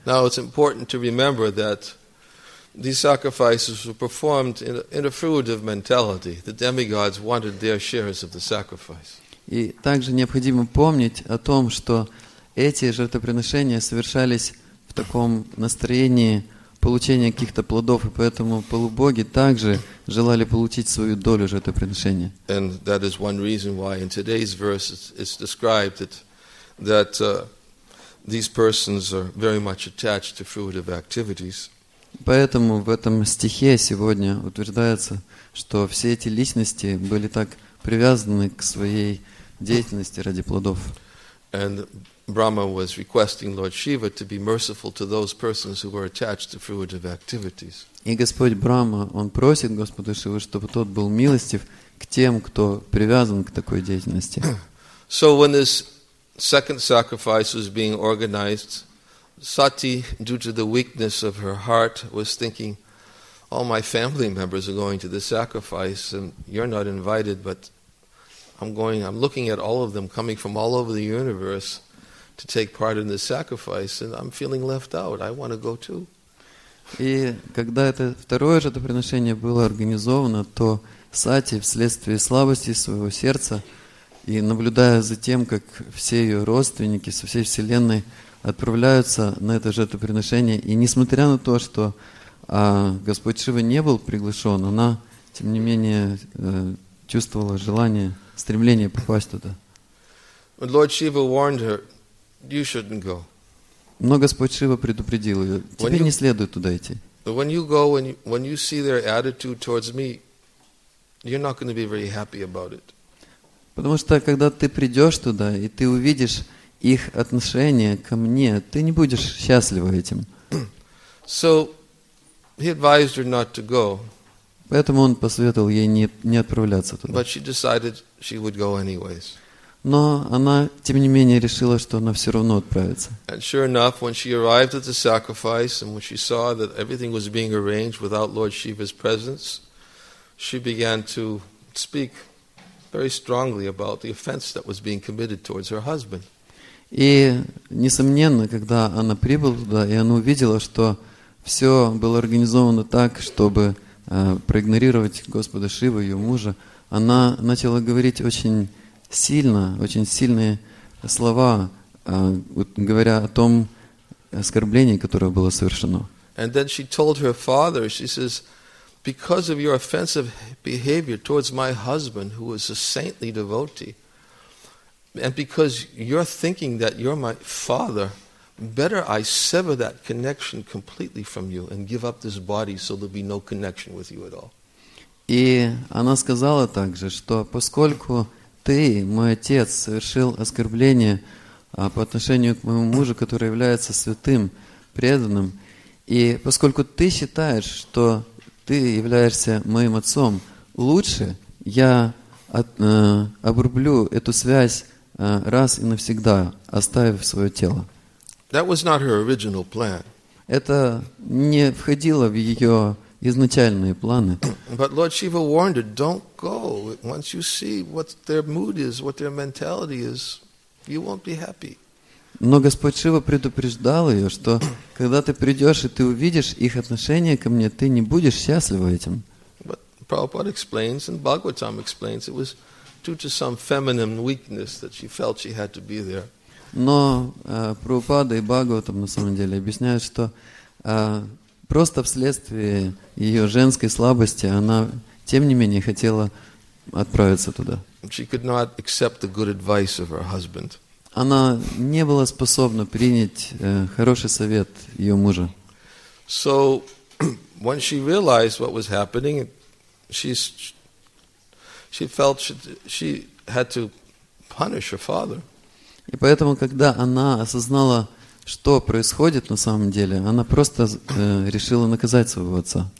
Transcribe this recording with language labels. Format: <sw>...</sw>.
<en>Now it's important to remember that these sacrifices were performed in a fruitive mentality. The demigods wanted their shares of the sacrifice.</en> <ru>И также необходимо помнить о том, что эти жертвоприношения совершались в таком настроении получения каких-то плодов, и поэтому полубоги также желали получить свою долю жертвоприношения.</ru> <en>And that is one reason why in today's verse it's described that these persons are very much attached to fruitive activities.</en> <ru>Поэтому в этом стихе сегодня утверждается, что все эти личности были так привязаны к своей деятельности ради плодов.</ru> <en>And Brahma was requesting Lord Shiva to be merciful to those persons who were attached to fruitive activities.</en> <ru>И Господь Брама, он просит Господа Шиву, чтобы тот был милостив к тем, кто привязан к такой деятельности.</ru> <en>So when this second sacrifice was being organized, Sati, due to the weakness of her heart, was thinking, all my family members are going to the sacrifice and you're not invited, but I'm looking at all of them coming from all over the universe to take part in the sacrifice and I'm feeling left out. I want to go too.</en> <ru>И когда это второе жертвоприношение было организовано, то Сати вследствие слабости своего сердца и наблюдая за тем, как все ее родственники со всей вселенной отправляются на это жертвоприношение. И несмотря на то, что Господь Шива не был приглашен, она, тем не менее, чувствовала желание, стремление попасть туда.</ru> <en>But Lord Shiva warned her, you shouldn't go.</en> <ru>Но Господь Шива предупредил ее, тебе не следует туда идти.</ru> <en>When you go, when you see their attitude towards me, you're not going to be very happy about it.</en> <ru>Потому что когда ты придешь туда и ты увидишь их отношение ко мне, ты не будешь счастлива этим.</ru> <en>So he advised her not to go.</en> <ru>Поэтому он посоветовал ей не отправляться туда.</ru> <en>But she decided she would go anyways.</en> <ru>Но она, тем не менее, решила, что она все равно отправится.</ru> <en>And sure enough, when she arrived at the sacrifice and when she saw that everything was being arranged without Lord Shiva's presence, she began to speak very strongly about the offense that was being committed towards her husband.</en> <ru>И, несомненно, когда она прибыла туда, и она увидела, что все было организовано так, чтобы проигнорировать Господа Шиву, ее мужа, она начала говорить очень сильные слова, говоря о том оскорблении, которое было совершено.</ru> <en>And then she told her father, she says, because of your offensive behavior towards my husband, who is a saintly devotee, and because you're thinking that you're my father, better I sever that connection completely from you and give up this body so there'll be no connection with you at all.</en> <ru>И она сказала также, что поскольку ты, мой отец, совершил оскорбление по отношению к моему мужу, который является святым, преданным, и поскольку ты считаешь, что ты являешься моим отцом, лучше я обрублю эту связь раз и навсегда, оставив свое тело.</ru> <en>That was not her original plan.</en> <ru>Это не входило в ее изначальные планы.</ru> <en>But Lord Shiva warned her, don't go. Once you see what their mood is, what their mentality is, you won't be happy.</en> <ru>Но Господь Шива предупреждал ее, что когда ты придешь и ты увидишь их отношение ко мне, ты не будешь счастлива этим.</ru> <en>But Prabhupada explains, and Bhagavatam explains, it was due to some feminine weakness that she felt she had to be there.</en> <ru>Но Прабхупада и Бхагаватам на самом деле объясняют, что просто вследствие ее женской слабости она, тем не менее, хотела отправиться туда.</ru> <en>She could not accept the good advice of her husband.</en> <ru>Она не была способна принять хороший совет ее мужа.</ru> <en>So, when she realized what was happening, she felt she had to punish her father.</en> <ru>И поэтому, когда она осознала, что происходит на самом деле, она просто решила наказать своего отца.</ru>